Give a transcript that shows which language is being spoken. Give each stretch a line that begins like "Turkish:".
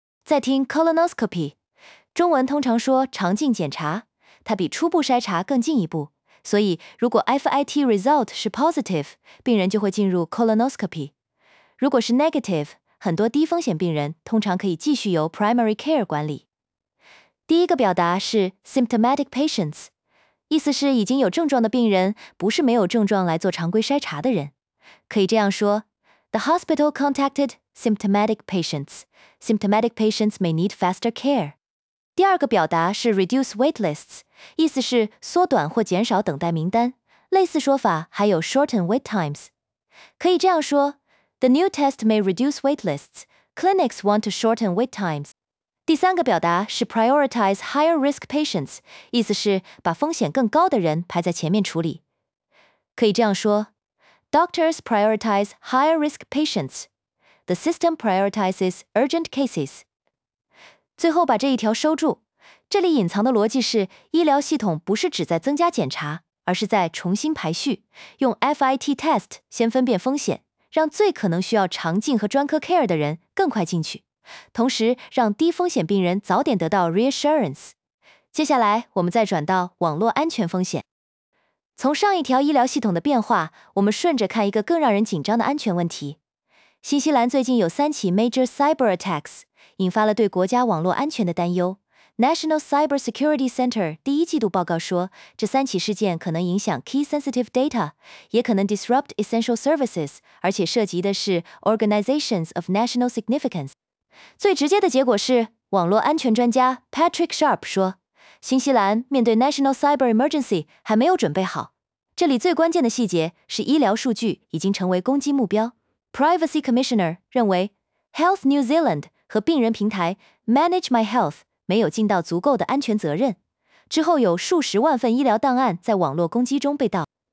Chinese: 再听 colonoscopy， 中文通常说肠镜检查，它比初步筛查更进一步，所以如果 FIT result 是 positive， 病人就会进入 colonoscopy， 如果是 negative， 很多低风险病人通常可以继续由 primary care 管理。第一个表达是 symptomatic patients，意思是已经有症状的病人，不是没有症状来做常规筛查的人。可以这样说，
English: The hospital contacted symptomatic patients. Symptomatic patients may need faster care.
Chinese: 第二个表达是 reduce wait lists， 意思是缩短或减少等待名单。类似说法还有 shorten wait times。可以这样说，
English: The new test may reduce wait lists. Clinics want to shorten wait times.
Chinese: 第三个表达是
English: prioritize higher risk patients，
Chinese: 意思是把风险更高的人排在前面处理。可以这样说，
English: Doctors prioritize higher risk patients. The system prioritizes urgent cases.
Chinese: 最后把这一条收住，这里隐藏的逻辑是，医疗系统不是只在增加检查，而是在重新排序，用 FIT test 先分辨风险，让最可能需要肠镜和专科 care 的人更快进去，同时让低风险病人早点得到 reassurance。接下来我们再转到网络安全风险。从上一条医疗系统的变化，我们顺着看一个更让人紧张的安全问题。新西兰最近有三起
English: major cyber attacks，
Chinese: 引发了对国家网络安全的担忧。 National Cyber Security Center 第一季度报告说，这三起事件可能影响
English: key sensitive data，
Chinese: 也可能
English: disrupt essential services，
Chinese: 而且涉及的是
English: organizations of national significance。
Chinese: 最直接的结果是，网络安全专家 Patrick Sharp 说，新西兰面对 National Cyber Emergency 还没有准备好。这里最关键的细节是，医疗数据已经成为攻击目标。 Privacy Commissioner 认为， Health New Zealand 和病人平台 Manage My Health 没有尽到足够的安全责任，之后有数十万份医疗档案在网络攻击中被盗。